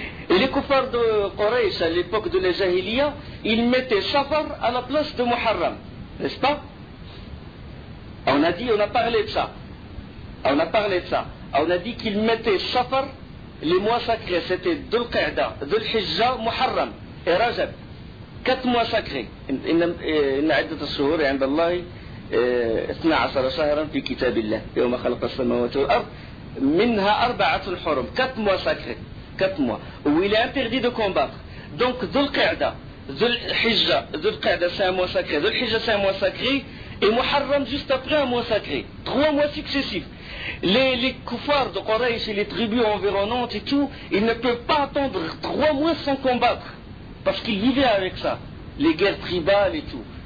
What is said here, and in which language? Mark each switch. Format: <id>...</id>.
<fr>Et les kuffars de Quraysh, à l'époque de la Jahiliya, ils mettaient Safar à la place de Muharram. N'est-ce pas? On a parlé de ça. On a dit qu'ils mettaient Safar, les mois sacrés, c'était Dhul-Qa'da, Dhul-Hijja, Muharram et Rajab. 4 mois sacrés.</fr> <ar>Inna iddata shuhur indallahi 12 شهرا في كتاب الله يوم خلق السماوات والأرض منها أربعة الحرم</ar> <fr>4 mois sacrés 4 mois où il est interdit de combattre. Donc ذو القعدة ذو الحجة ذو القعدة 5 mois sacrés ذو الحجة 5 mois sacrés et محرم juste après un mois sacré 3 mois successifs. Les koufars de Quraysh et les tribus environnantes et tout, ils ne peuvent pas attendre 3 mois sans combattre parce qu'ils vivaient avec ça, les guerres tribales et tout.</fr>